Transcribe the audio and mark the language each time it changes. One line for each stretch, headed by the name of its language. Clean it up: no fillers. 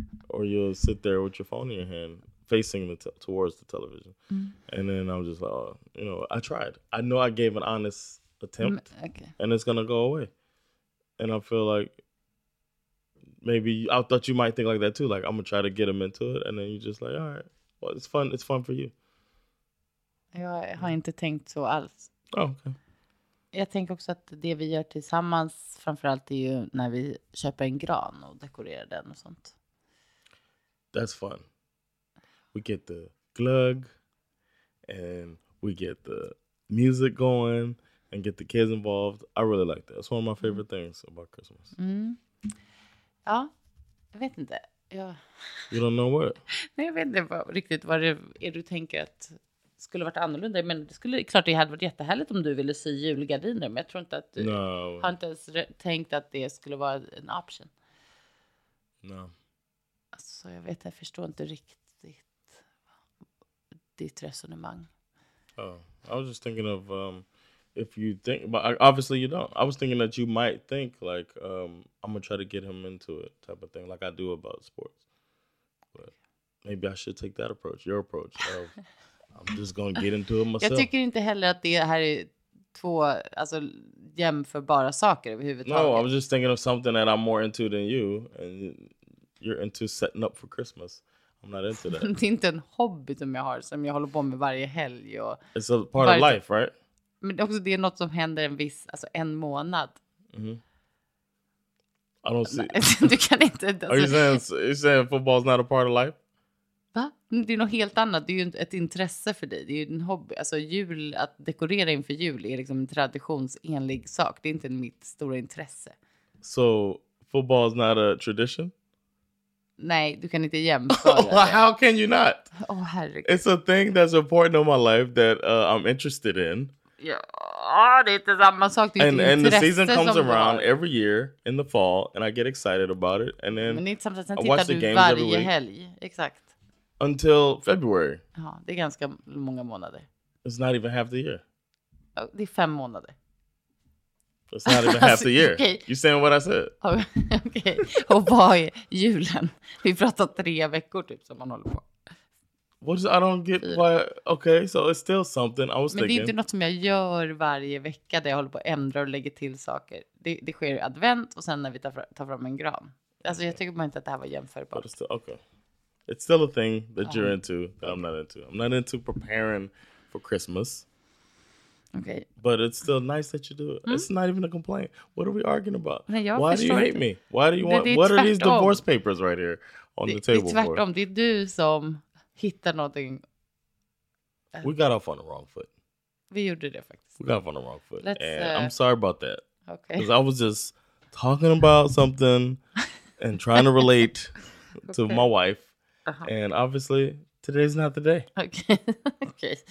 English: Or you'll sit there with your phone in your hand facing the towards the television. Mm. And then I'm just like, oh, you know, I tried. I know I gave an honest attempt. Okay. And it's going to go away. And I feel like maybe I thought you might think like that too. Like, I'm going to try to get them into it. And then you're just like, all right, well, it's fun. It's fun for you.
Swedish: Jag har inte tänkt så alls.
English: Oh, okay.
Swedish: Jag tänker också att det vi gör tillsammans framförallt är ju när vi köper en gran och dekorerar den och sånt.
English: That's fun. We get the glug and we get the music going and get the kids involved. I really like that. It's one of my favorite things about Christmas.
Swedish: Mm. Ja, jag vet inte. Jag...
English: You don't know what?
Swedish: Nej, jag vet inte riktigt vad det är du tänker att skulle varit annorlunda, men det skulle klart det hade varit jättehärligt om du ville sy julgardiner, men jag tror inte att du har inte ens tänkt att det skulle vara en option.
English: No.
Swedish: Alltså, jag vet, jag förstår inte riktigt ditt resonemang.
English: Oh, I was just thinking of if you think, but obviously you don't. I was thinking that you might think like I'm gonna try to get him into it type of thing, like I do about sports. But maybe I should take that approach, your approach of I'm just gonna get into it myself.
Swedish: Jag tycker inte heller att det här är två alltså jämförbara saker överhuvudtaget.
English: No, I was just thinking of something that I'm more into than you and you're into setting up for Christmas. I'm not into that.
Swedish: Det är inte en hobby som jag har som jag håller på med varje helg och
English: it's a part of life, right?
Swedish: Men också det är något som händer en viss alltså en månad.
English: Mm-hmm. I don't see.
Swedish: Du kan inte. Alltså...
English: Are you saying football's not a part of life?
Swedish: Va? Det är något helt annat. Det är ju ett intresse för dig. Det är ju en hobby. Alltså jul, att dekorera inför jul är liksom en traditionsenlig sak. Det är inte mitt stora intresse.
English: So, football is not a tradition?
Swedish: Nej, du kan inte jämföra
English: det. How can you not?
Swedish: Oh, herregud.
English: It's a thing that's important in my life that I'm interested in.
Swedish: Ja, det är inte samma sak. Det är
English: and, and the season comes around every year in the fall and I get excited about it. And then
Swedish: men det är inte samma sak. Sen tittar du varje helg. Exakt.
English: Until February.
Swedish: Ja, det är ganska många månader.
English: It's not even half the year.
Swedish: Oh, det är 5 månader.
English: It's not even half the year. Okay. You saying what I said?
Swedish: Okej. Okay. Och vad är julen? Vi pratar 3 veckor typ som man håller på.
English: What is, I don't get why. Okay, so it's still something. I was
Swedish: men
English: thinking.
Swedish: Det är inte något som jag gör varje vecka där jag håller på att ändra och lägga till saker. Det sker i advent och sen när vi tar fram en gran. Alltså okay. Jag tycker bara inte att det här var jämförbart.
English: Still, okay. It's still a thing that you're into that I'm not into. I'm not into preparing for Christmas. Okay. But it's still nice that you do it. Mm. It's not even a complaint. What are we arguing about?
Swedish: Nej,
English: why do you hate me? Why do you want...
Swedish: Det
English: what are these divorce papers right here on the table for?
Swedish: Det är tvärtom. Det är du som hittar någonting.
English: We got off on the wrong foot.
Swedish: Vi gjorde det faktiskt.
English: We got off on the wrong foot. And I'm sorry about that. Okay. Because I was just talking about something and trying to relate to my wife. Uh-huh. And obviously, today's not the day. Okay. Okay.